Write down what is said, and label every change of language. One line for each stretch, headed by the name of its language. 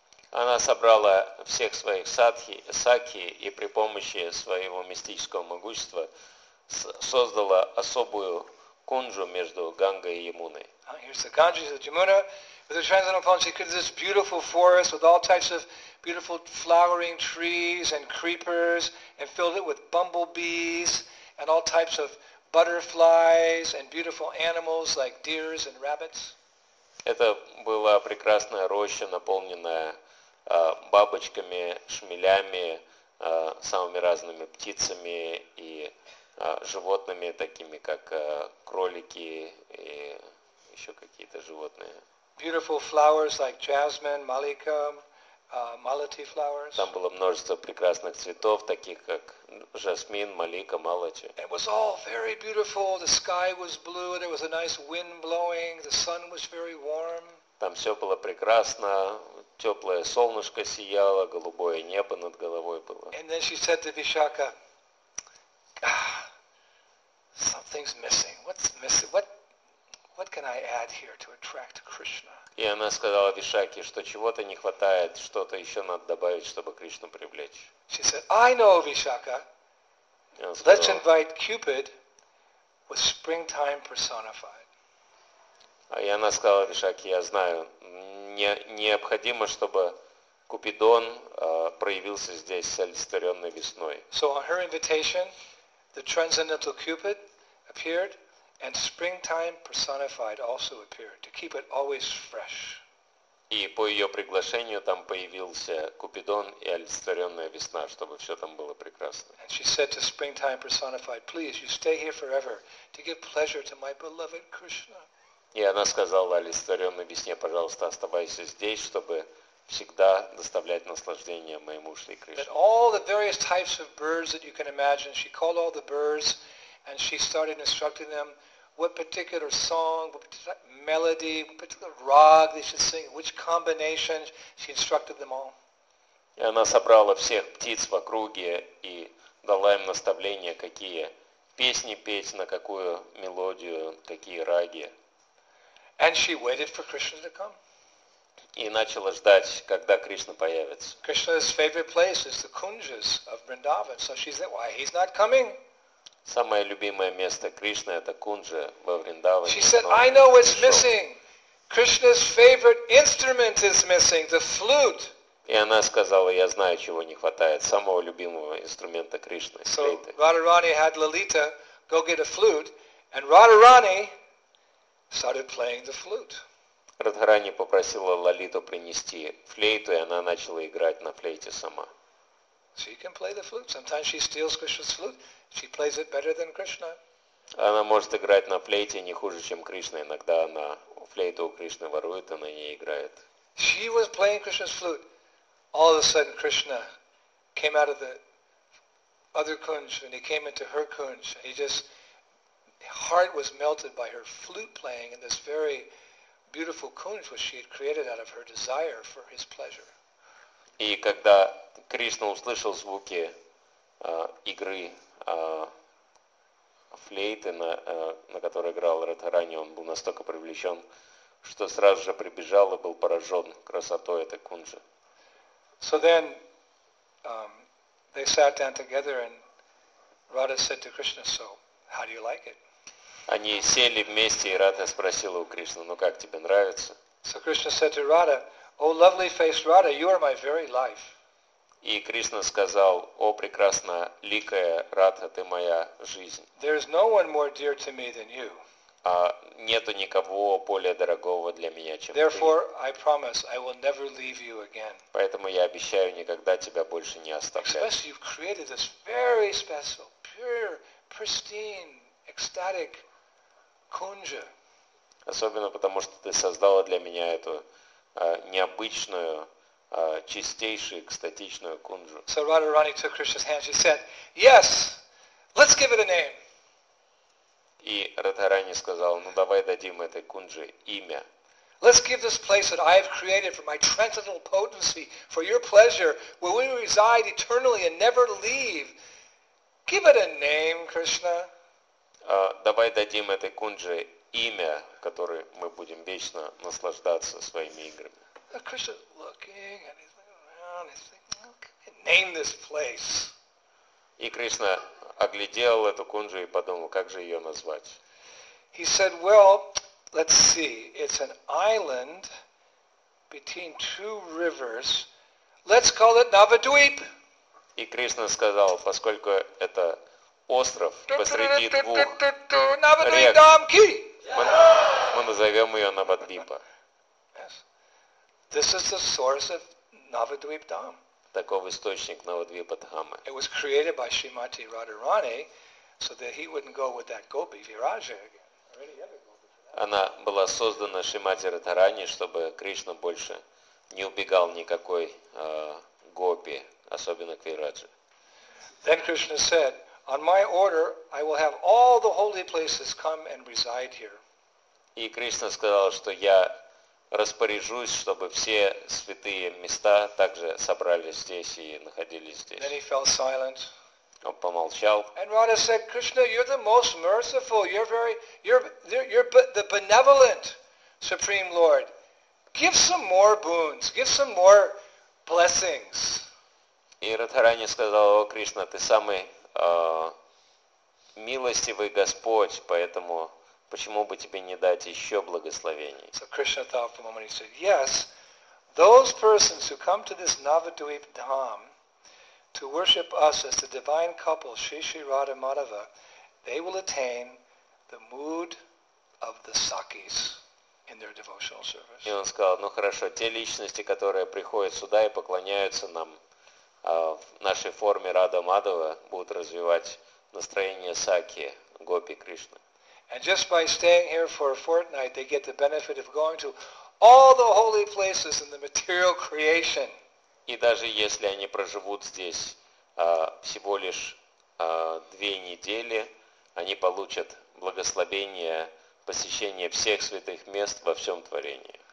Russian: Она собрала всех своих сакхи и при помощи своего мистического могущества создала особую кунджу между Гангой и Ямуной.
English: Here's the Ganges, the Jamuna. With the transcendental palms, she created this beautiful forest with all types of beautiful flowering trees and creepers and filled it with bumblebees and all types of butterflies and beautiful animals like deers and rabbits.
Russian: Это была прекрасная роща, наполненная бабочками, шмелями, самыми разными птицами и животными, такими как кролики и еще какие-то животные.
English: Beautiful flowers like jasmine, malika, malati flowers.
Russian: Там было множество прекрасных цветов, таких как жасмин, малика, малати.
English: It was all very beautiful. The sky was blue. There was a nice wind blowing. The sun was very warm.
Russian: Там все было прекрасно. Теплое солнышко сияло, голубое небо над головой было.
English: And then she said to Vishakha, something's missing. What's missing? What can I add here to attract Krishna?
Russian: И она сказала Вишаке, что чего-то не хватает, что-то еще надо добавить, чтобы Кришну привлечь.
English: She said, I know, Vishakha. Let's invite Cupid with springtime personified.
Russian: И она сказала Вишаке, я знаю, необходимо, чтобы Купидон проявился здесь с олицетворенной весной.
English: So on her invitation, the transcendental Cupid appeared. And springtime personified also appeared to keep it always fresh.
Russian: И по ее приглашению там появился Купидон и олицетворенная весна, чтобы все там было прекрасно.
English: And she said to springtime personified, please, you stay here forever to give pleasure to my beloved Krishna.
Russian: И она сказала олицетворенной весне, пожалуйста, оставайся здесь, чтобы всегда доставлять наслаждение моему Шри Кришне.
English: But all the various types of birds that you can imagine, she called all the birds. And she started instructing them what particular song, what particular melody, what particular rag they should sing, which combination. She instructed them all.
Russian: И она собрала всех птиц в округе и дала им наставления, какие песни петь, на какую мелодию, какие раги.
English: And she waited for Krishna to come.
Russian: И начала ждать, когда Кришна появится.
English: Krishna's favorite place is the kunjas of Vrindavan. So she said, why he's not coming?
Russian: Самое любимое место Кришны – это кунджа во Вриндаване.
English: She said, I know what's missing. Krishna's favorite instrument is missing, the flute.
Russian: И она сказала, я знаю, чего не хватает. Самого любимого инструмента Кришны – флейты.
English: So Radharani had Lalita go get a flute, and Radharani started playing the flute.
Russian: Радхарани попросила Лалиту принести флейту, и она начала играть на флейте сама.
English: She can play the flute. Sometimes she steals Krishna's flute. She plays it better than Krishna.
Russian: Она может играть на флейте не хуже, чем Кришна. Иногда она флейту у Кришны ворует, она не играет.
English: She was playing Krishna's flute. All of a sudden, Krishna came out of the other kunj, and he came into her kunj. He just, heart was melted by her flute playing in this very beautiful kunj, which she had created out of her desire for his pleasure.
Russian: И когда Кришна услышал звуки игры флейты, на которой играл Радхарани, он был настолько привлечен, что сразу же прибежал и был поражен красотой этой кунжи.
English: So then they sat down together and Radha said to Krishna, so how do you like it?
Russian: Они сели вместе, и Радха спросила у Кришны, ну как тебе нравится?
English: So Krishna said to Radha, O lovely faced Radha, you are my very life.
Russian: И Кришна сказал, о прекрасно ликая Радха, ты моя жизнь.
English: There is no one more dear to me than you.
Russian: Нету никого более дорогого для меня, чем
English: Therefore,
Russian: ты.
English: I promise, I will never leave you again.
Russian: Поэтому я обещаю никогда тебя больше не оставлять.
English: Especially you've created this very special, pure, pristine, ecstatic kunja.
Russian: Особенно потому, что ты создала для меня эту необычную, чистейшую, экстатичную кунджу.
English: So Radharani took Krishna's hand. She said, yes, let's give it a name.
Russian: И Радхарани сказал, ну давай дадим этой кунджи имя.
English: Let's give this place that I have created for my transcendental potency, for your pleasure, where we reside eternally and never leave. Give it a name, Krishna.
Russian: Давай дадим этой кунджи имя, которое мы будем вечно наслаждаться своими играми.
English: Krishna's looking and he's looking around, he's thinking, name this place.
Russian: И Кришна оглядел эту кунджу и подумал, как же ее назвать.
English: He said, well, let's see, it's an island between two rivers. Let's call it Navadvip.
Russian: И Кришна сказал, поскольку это остров посреди двух рек, мы назовем ее Навадвипа.
English: This is the source of Navadvip Dham.
Russian: Таков источник Навадвипа Дхамы.
English: It was created by Shrimati Radharani so that he wouldn't go with that gopi Viraja again.
Russian: Она была создана Шримати Радхарани, чтобы Кришна больше не убегал никакой гопи, особенно к Вираджи.
English: Then Krishna said, on my order, I will have all the holy places come and reside here.
Russian: И Кришна сказал, что я распоряжусь, чтобы все святые места также собрались здесь и находились здесь.
English: Then he fell silent.
Russian: Он помолчал.
English: And Radha said, Krishna, you're the most merciful, you're the benevolent Supreme Lord. Give some more boons, give some more blessings.
Russian: И Радхарани сказал, о, Кришна, ты самый милостивый Господь, поэтому почему бы тебе не дать еще благословений?
English: So Krishna thought for a moment, he said, yes, those persons who come to this Navadvip Dham to worship us as the divine couple, Shri Shri Radha Madhava, they will attain the mood of the Sakis in their devotional service.
Russian: И он сказал, ну хорошо, те личности, которые приходят сюда и поклоняются нам в нашей форме Радха Мадхава, будут развивать настроение Саки, Гопи Кришны.
English: And just by staying here for a fortnight, they get the benefit of going to all the holy places in the material creation.
Russian: И даже если они проживут здесь всего лишь две недели, они получат благословение посещения всех святых мест во всем творении.